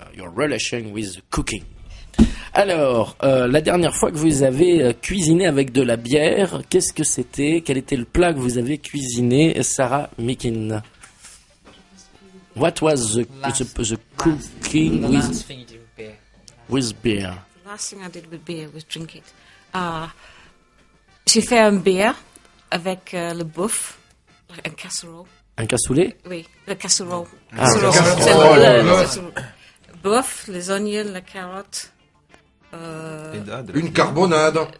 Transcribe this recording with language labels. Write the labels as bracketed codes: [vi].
[en] Your relation with cooking. [fr] Alors, la dernière fois que vous avez cuisiné avec de la bière, qu'est-ce que c'était ? Quel était le plat que vous avez cuisiné, Sarah Mikin ? [en] What was the cooking the with... With beer. The last thing I did with beer was drink it. [fr] J'ai fait un beer avec le bouffe, un casserole. Un cassoulet? Oui, le casserole. Le bouffe, les oignons, la carotte. Une carbonade.